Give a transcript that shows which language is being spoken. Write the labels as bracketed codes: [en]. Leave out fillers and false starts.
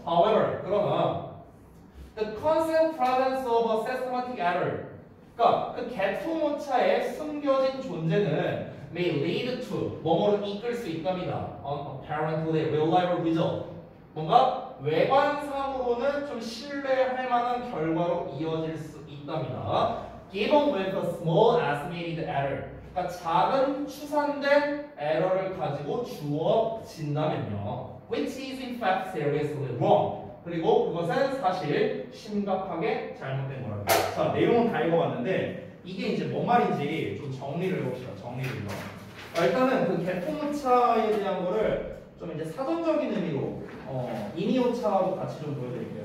[ko] However, 그러나 [en] the constant presence of a systematic error, [ko] 그러니까 그 개통 오차에 숨겨진 존재는 [en] may lead to [ko] 뭐뭐로 이끌 수 있답니다. [en] Apparently reliable result, [ko] 뭔가 외관상으로는 좀 신뢰할 만한 결과로 이어질 수 있답니다. [en] Given with a small estimated error. [ko] 그러니까 작은 추산된 에러를 가지고 주어진다면요. [en] Which is in fact seriously wrong. [ko] 그리고 그것은 사실 심각하게 잘못된 거랍니다. 자, 내용은 다 읽어봤는데 이게 이제 뭔 말인지 좀 정리를 해봅시다. 정리를 해봐. 아, 일단은 그 개통오차에 대한 거를 좀 이제 사전적인 의미로 이미오차하고 같이 좀 보여드릴게요.